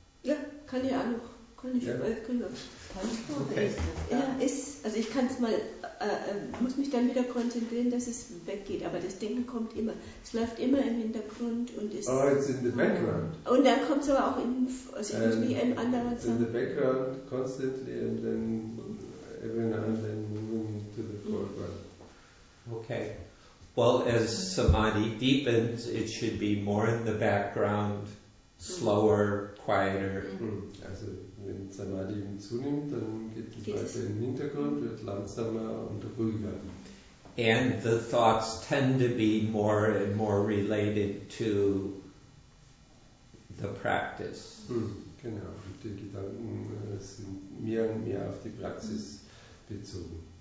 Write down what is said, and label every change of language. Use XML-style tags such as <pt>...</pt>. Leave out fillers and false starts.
<de>Ja, kann ich auch noch. Kann ich auch.</de> <en>Okay.</en> <de>Ja, ist, also ich kann es mal, muss mich dann wieder konzentrieren, dass es weggeht. Aber das Denken kommt immer. Es läuft immer im Hintergrund und ist.</de> <en>Oh, it's in the background.</en> <de>Und dann kommt es aber auch in, also ich muss mich in anderen</de> <en>Sachen. In the background constantly and then every now and then moving to the foreground. Okay. Well, as samadhi deepens, it should be more in the background, slower, quieter. Mm.</en> <de>Also, wenn samadhi zunimmt, dann geht es weiter in den Hintergrund, wird langsamer und ruhiger.</de> <en>And the thoughts tend to be more and more related to the practice. Mm.</en> <de>Genau, und die Gedanken sind mehr und mehr auf die Praxis bezogen.</de>